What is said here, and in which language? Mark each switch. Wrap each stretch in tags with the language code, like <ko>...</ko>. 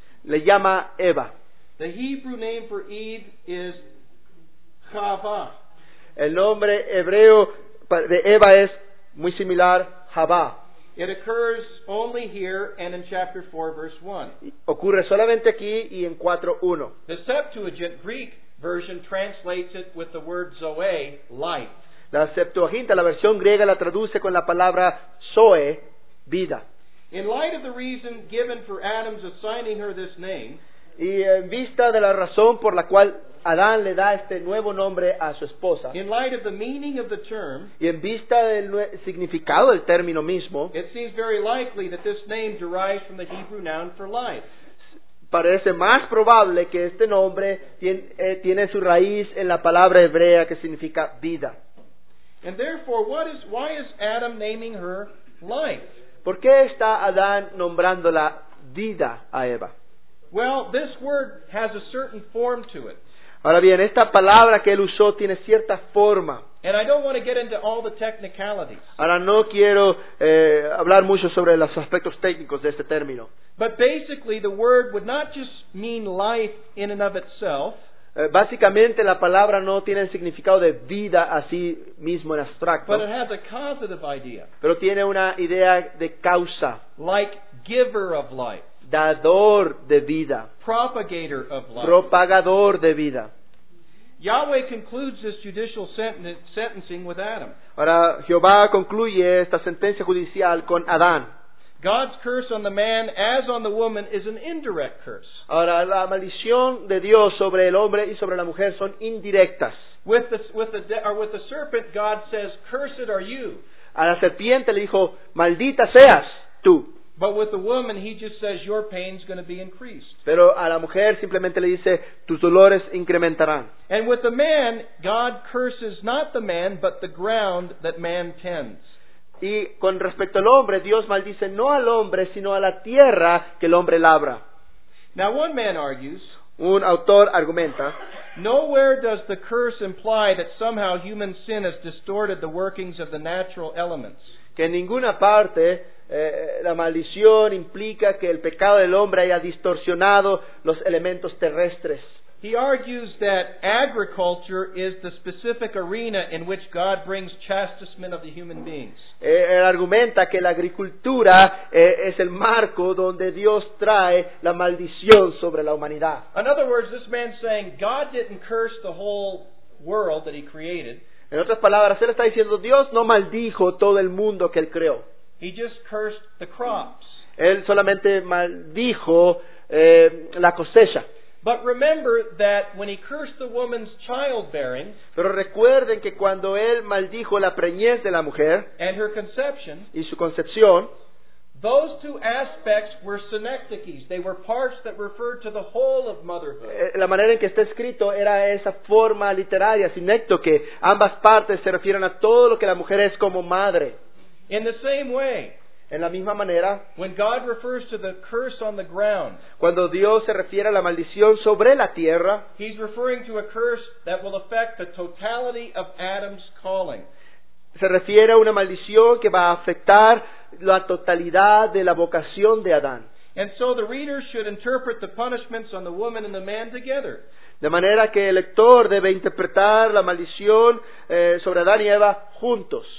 <es>Le llama Eva.</es> <en>The Hebrew name for Eve is Chava.</en> <es>El nombre hebreo de Eva es muy similar, Chava.</es> <en>It occurs only here and in chapter 4, verse 1.</en> <es>Ocurre solamente aquí y en 4:1.</es> <en>The Septuagint Greek version translates it with the word Zoe, life.</en> <es>La Septuaginta, la versión griega, la traduce con la palabra Zoe, vida.</es> <en>In light of the reason given for Adam's assigning her this name,</en> <es>y en vista de la razón por la cual Adán le da este nuevo nombre a su esposa,</es> <en>in light of the meaning of the term,</en> <es>y en vista del significado del término mismo,</es> <en>it seems very likely that this name derives from the Hebrew noun for life.</en> <es>Parece más probable que este nombre tiene su raíz en la palabra hebrea que significa vida.</es> <en>And therefore, why is Adam naming her life?</en> <es>¿Por qué está Adán nombrándola vida a Eva?</es> <en>Well, this word has a certain form to it.</en> <es>Ahora bien, esta palabra que él usó tiene cierta forma.</es> <en>And I don't want to get into all the technicalities.</en> <es>Ahora no quiero hablar mucho sobre los aspectos técnicos de este término.</es> <en>But basically, the word would not just mean life in and of itself.</en> <es>Básicamente, la palabra no tiene el significado de vida a sí mismo en abstracto.</es> <en>But it has a causative idea.</en> <es>Pero tiene una idea de causa.</es> <en>Like giver of life.</en> <es>Dador de vida.</es> <en>Propagator of life.</en> <es>Propagador de vida.</es> <en>Yahweh concludes this judicial sentencing with Adam.</en> <es>Ahora, Jehová concluye esta sentencia judicial con Adán.</es> <en>God's curse on the man as on the woman is an indirect curse.</en> <es>Ahora, la maldición de Dios sobre el hombre y sobre la mujer son indirectas.</es> <en>With the serpent, God says, "Cursed are you."</en> <es>A la serpiente le dijo, "Maldita seas tú."</es> <en>But with the woman, he just says, "Your pain's going to be increased."</en> <es>Pero a la mujer simplemente le dice, "Tus dolores incrementarán."</es> <en>And with the man, God curses not the man, but the ground that man tends.</en> <es>Y con respecto al hombre, Dios maldice no al hombre, sino a la tierra que el hombre labra.</es> <en>Now one man argues,</en> <es>un autor argumenta,</es> <en>nowhere does the curse imply that somehow human sin has distorted the workings of the natural elements.</en> <es>Que en ninguna parte la maldición implica que el pecado del hombre haya distorsionado los elementos terrestres.</es> <en>He argues that agriculture is the specific arena in which God brings chastisement of the human beings.</en> <es>Él argumenta que la agricultura es el marco donde Dios trae la maldición sobre la humanidad.</es> <en>In other words, this man's saying God didn't curse the whole world that he created.</en> <es>En otras palabras, él está diciendo Dios no maldijo todo el mundo que él creó.</es> <en>He just cursed the crops.</en> <es>Él solamente maldijo la cosecha.</es> <en>But remember that when he cursed the woman's childbearing,</en> <es>pero recuerden que cuando él maldijo la preñez de la mujer</es> <en>and her conception,</en> <es>y su concepción,</es> <en>those two aspects were synecdoches. They were parts that referred to the whole of motherhood.</en> <es>La manera en que está escrito era esa forma literaria, synecdoche. Ambas partes se refieren a todo lo que la mujer es como madre.</es> <en>In the same way,</en> <es>en la misma manera,</es> <en>when God refers to the curse on the ground,</en> <es>cuando Dios se refiere a la maldición sobre la tierra,</es> <en>he's referring to a curse that will affect the totality of Adam's calling.</en> <es>Se refiere a una maldición que va a afectar la totalidad de la vocación de Adán.</es> <en>And so the reader should interpret the punishments on the woman and the man together.</en> <es>De manera que el lector debe interpretar la maldición sobre Adán y Eva juntos.</es>